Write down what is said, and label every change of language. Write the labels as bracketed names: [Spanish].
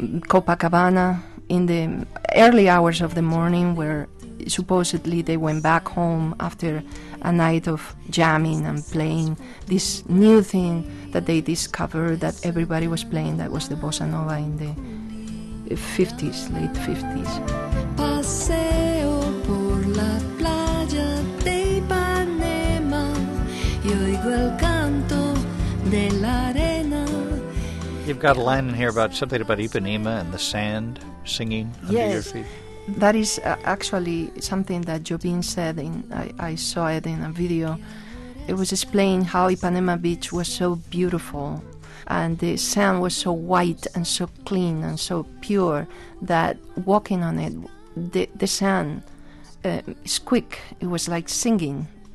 [English] Copacabana in the early hours of the morning, where supposedly they went back home after a night of jamming and playing this new thing that they discovered that everybody was playing, that was the bossa nova in the 50s, late 50s. [Spanish] Paseo por la playa de Ipanema y oigo el canto de la arena. [English] You've got a line in here about something about Ipanema and the sand singing under yes, your feet. That is actually something that Jobim said, I saw it in a video. It was explaining how Ipanema Beach was so beautiful and the sand was so white and so clean and so pure that walking on it, the sand is quick. It was like singing.